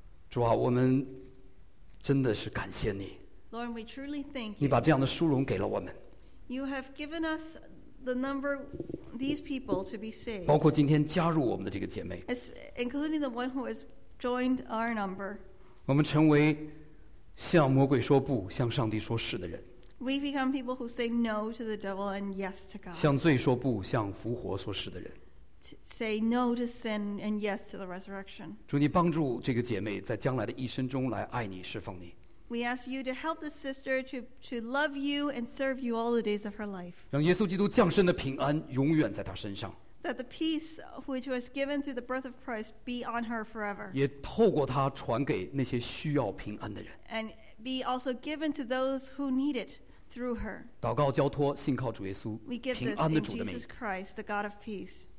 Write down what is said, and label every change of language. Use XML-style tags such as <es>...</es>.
<zh>主啊，我们真的是感谢你。</zh> <en>Lord, we truly thank you.</en> <zh>你把这样的殊荣给了我们。</zh> <en>You have given us the number these people to be saved.</en> <zh>包括今天加入我们的这个姐妹。</zh> <en>Including the one who has joined our number.</en> <zh>我们成为向魔鬼说不、向上帝说是的人。</zh> <en>We become people who say no to the devil and yes to God.</en> <zh>向罪说不，向复活说是的人。</zh> <en>Say no to sin and yes to the resurrection.</en> <zh>主，你帮助这个姐妹在将来的一生中来爱你、侍奉你。</zh> <en>We ask you to help the sister to love you and serve you all the days of her life.</en> <zh>让耶稣基督降生的平安永远在她身上。</zh> <en>That the peace which was given through the birth of Christ be on her forever.</en> <zh>也透过她传给那些需要平安的人。</zh> <en>And be also given to those who need it. Through her.</en> <zh>祷告交托，信靠主耶稣，平安的主的名。</zh> <en>We give this in Jesus Christ, the God of peace.</en>